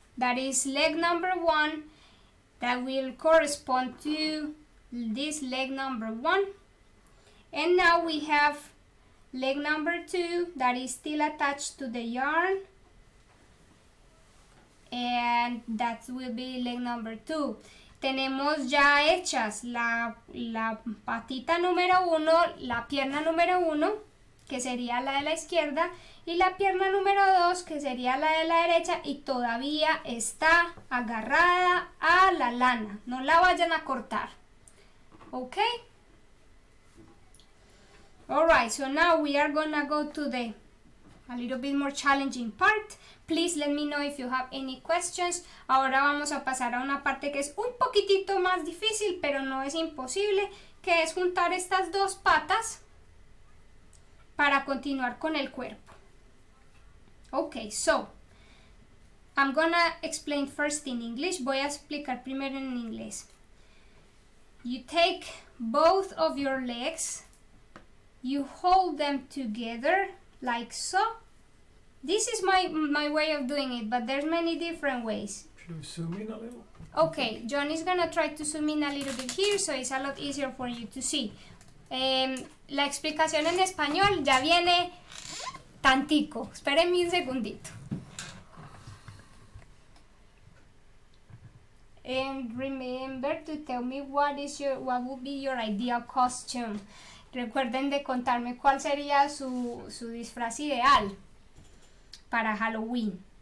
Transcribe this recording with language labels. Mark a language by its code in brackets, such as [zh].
[en] That is leg number one that will correspond to this leg number one. And now we have leg number two that is still attached to the yarn. And that will be leg number two. [es] Tenemos ya hechas la patita número uno, la pierna número uno, que sería la de la izquierda. Y la pierna número 2, que sería la de la derecha, y todavía está agarrada a la lana. No la vayan a cortar. ¿Ok? [en] Alright, so now we are gonna go to the a little bit more challenging part. Please let me know if you have any questions. [es] Ahora vamos a pasar a una parte que es un poquitito más difícil, pero no es imposible, que es juntar estas dos patas para continuar con el cuerpo. [en] Okay, so I'm gonna explain first in English. [es] Voy a explicar primero en inglés. [en] You take both of your legs, you hold them together like so, This is my way of doing it, but there's many different ways. Should we zoom in a little? Okay, John is gonna try to zoom in a little bit here, so it's a lot easier for you to see. [es] La explicación en español ya viene tantico. Espérenme un segundito. [en] And remember to tell me what would be your ideal costume. [es] Recuerden de contarme cuál sería su disfraz ideal para Halloween.